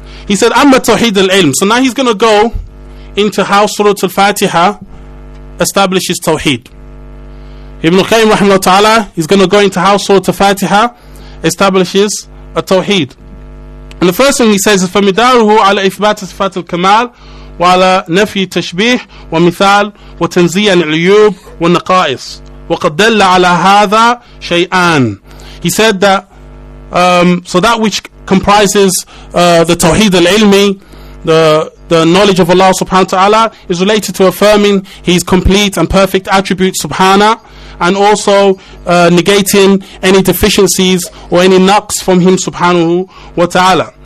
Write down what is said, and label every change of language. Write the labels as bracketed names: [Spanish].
[English] He said, Amma Tawheed al-ilm. So now he's going to go into how Surah Al-Fatiha establishes Tawheed. Ibn Qayyim rahimahullah ta'ala is going to go into how Surah Al-Fatiha establishes a Tawheed. And the first thing he says is, [Arabic] فَمِدَارُهُ عَلَى إِثْبَاتِ صِفَاتِ الْكَمَالِ وعلى نفي تشبيه ومثال وتنزيه العيوب والنقائص وقد دل على هذا شيئان. [English] He said that so that which comprises the tawhid al-ilmi, the knowledge of Allah subhanahu wa ta'ala, is related to affirming His complete and perfect attributes subhana, and also negating any deficiencies or any naqs from Him subhanahu wa ta'ala.